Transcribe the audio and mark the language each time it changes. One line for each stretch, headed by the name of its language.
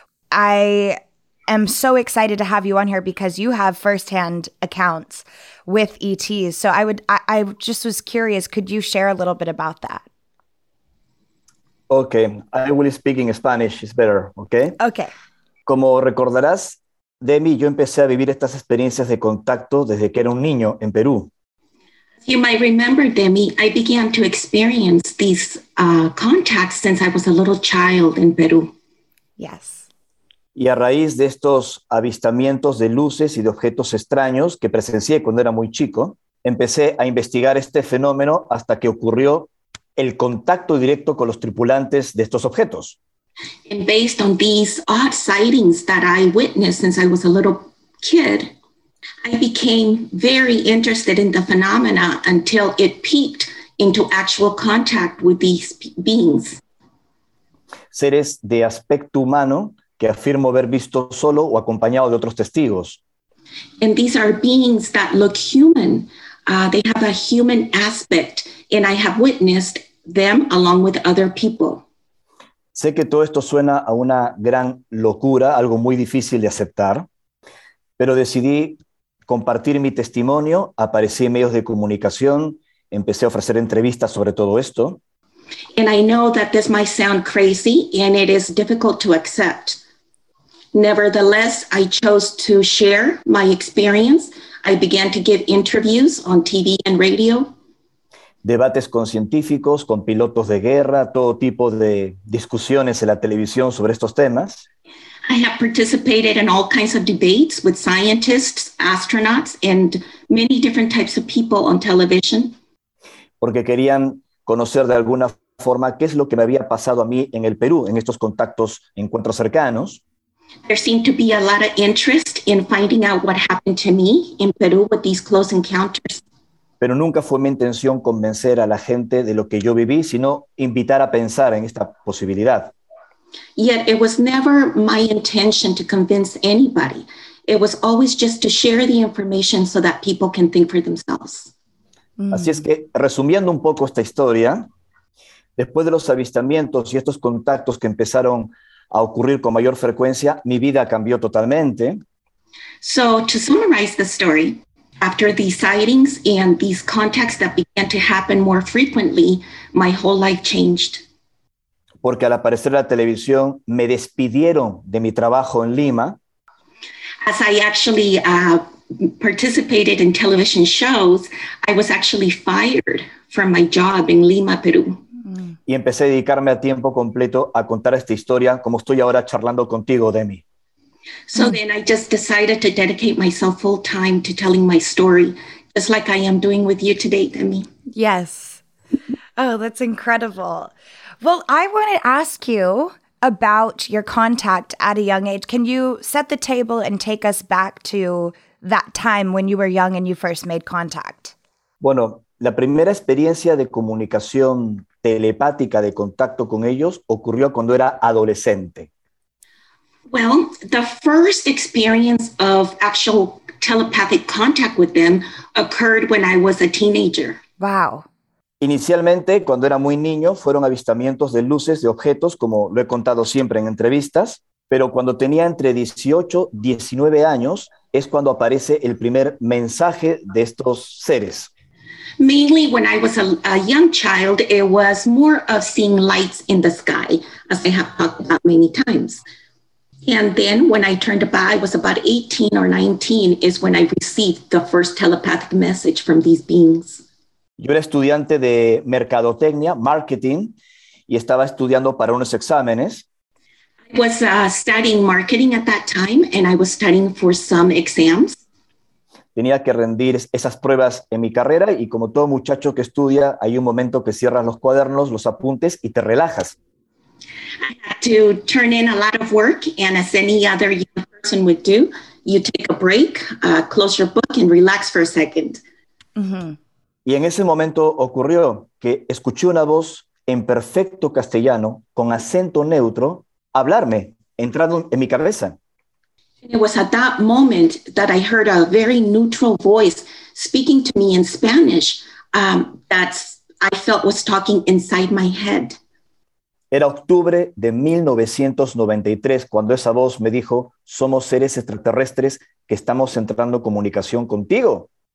English: I am so excited to have you on here because you have firsthand accounts with ETs. So I was curious, could you share a little bit about that? Okay, I will speak in Spanish, it's better, okay? Okay.
Spanish: Como recordarás, Demi, yo empecé a vivir estas experiencias de contacto desde que era un niño en Perú.
English: You might remember, Demi, I began to experience these contacts since I was a little child in Peru. Yes.
Spanish: Y a raíz de estos avistamientos de luces y de objetos extraños que presencié cuando era muy chico, empecé a investigar este fenómeno hasta que ocurrió el contacto directo con los tripulantes de estos objetos.
English: And based on these odd sightings that I witnessed since I was a little kid, I became very interested in the phenomena until it peaked into actual contact with these beings.
Spanish: Seres de aspecto humano que afirmo haber visto solo o acompañado de otros testigos.
English: And these are beings that look human. They have a human aspect, and I have witnessed them along with other people.
Spanish: Sé que todo esto suena a una gran locura, algo muy difícil de aceptar, pero decidí compartir mi testimonio, aparecí en medios de comunicación, empecé a ofrecer entrevistas sobre todo esto.
English: And I know that this might sound crazy, and it is difficult to accept. Nevertheless, I chose to share my experience. I began to give interviews on TV and radio.
Spanish: Debates con científicos, con pilotos de guerra, todo tipo de discusiones en la televisión sobre estos temas.
English: I have participated in all kinds of debates with scientists, astronauts, and many different types of people on television.
Spanish: Porque querían conocer de alguna forma qué es lo que me había pasado a mí en el Perú, en estos contactos, encuentros cercanos.
English: There seemed to be a lot of interest in finding out what happened to me in Peru with these close encounters.
Spanish: Pero nunca fue mi intención convencer a la gente de lo que yo viví, sino invitar a pensar en esta posibilidad.
English: Yet it was never my intention to convince anybody. It was always just to share the information so that people can think for themselves.
Spanish: Así es que, resumiendo un poco esta historia, después de los avistamientos y estos contactos que empezaron a ocurrir con mayor frecuencia, mi vida cambió totalmente.
English: So, to summarize the story, after these sightings and these contacts that began to happen more frequently, my whole life changed.
Spanish: Porque al aparecer la televisión, me despidieron de mi trabajo en Lima.
English: As I actually participated in television shows, I was actually fired from my job in Lima, Peru.
Spanish: Y empecé a dedicarme a tiempo completo a contar esta historia, como estoy ahora charlando contigo, Demi.
English: So then I just decided to dedicate myself full time to telling my story, just like I am doing with you today, Demi. Yes. Oh, that's incredible. Well, I want to ask you about your contact at a young age. Can you set the table and take us back to that time when you were young and you first made contact?
Spanish: Bueno, la primera experiencia de comunicación telepática de contacto con ellos ocurrió cuando era adolescente.
English: Well, the first experience of actual telepathic contact with them occurred when I was a teenager. Wow.
Spanish: Inicialmente, cuando era muy niño, fueron avistamientos de luces de objetos, como lo he contado siempre en entrevistas, pero cuando tenía entre 18 y 19 años, es cuando aparece el primer mensaje de estos seres.
English: Mainly when I was a young child, it was more of seeing lights in the sky, as I have talked about many times. And then when I turned by, I was about 18 or 19, is when I received the first telepathic message from these beings.
Spanish: Yo era estudiante de mercadotecnia, marketing, y estaba estudiando para unos exámenes.
English: I was studying marketing at that time, and I was studying for some exams.
Spanish: Tenía que rendir esas pruebas en mi carrera, y como todo muchacho que estudia, hay un momento que cierras los cuadernos, los apuntes, y te relajas.
English: I had to turn in a lot of work, and as any other young person would do, you take a break, close your book, and relax for a second. Mm-hmm.
Spanish: Y en ese momento ocurrió que escuché una voz en perfecto castellano, con acento neutro, hablarme, entrando en mi cabeza.
English: It was at that moment that I heard a very neutral voice speaking to me in Spanish that I felt was talking inside my head.
Spanish: Era octubre de 1993 cuando esa voz me dijo, somos seres extraterrestres que estamos entrando en comunicación contigo.